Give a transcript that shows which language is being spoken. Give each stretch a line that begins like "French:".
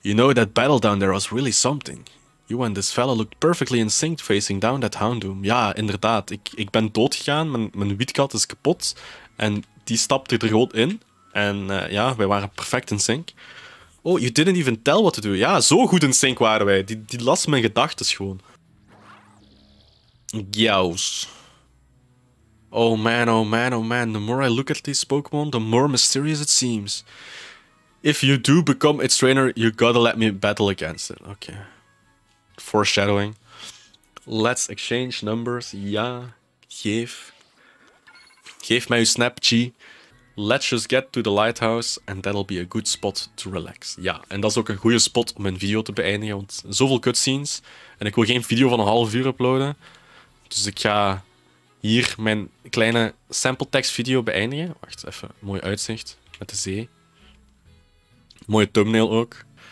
English: You know, that battle down there was really something. You and this fella looked perfectly in sync facing down that houndoom.
Dutch: Ja, inderdaad. Ik ben doodgegaan. Mijn wietkat is kapot. En die stapte er rood in. En ja, wij waren perfect in sync.
English: Oh, you didn't even tell what to do.
Dutch: Ja, zo goed in sync waren wij. Die las mijn gedachten gewoon. Gauws.
English: Oh man, oh man, oh man, the more I look at this Pokémon, the more mysterious it seems. If you do become its trainer, you gotta let me battle against it. Okay. Foreshadowing. Let's exchange numbers.
Dutch: Ja, geef. Geef mij uw snap, G.
English: Let's just get to the lighthouse and that'll be a good spot to relax.
Dutch: Ja, en dat is ook een goede spot om een video te beëindigen, want zoveel cutscenes. En ik wil geen video van een half uur uploaden. Dus ik ga hier mijn kleine sample text video beëindigen. Wacht, even. Mooi uitzicht met de zee. Mooie thumbnail ook.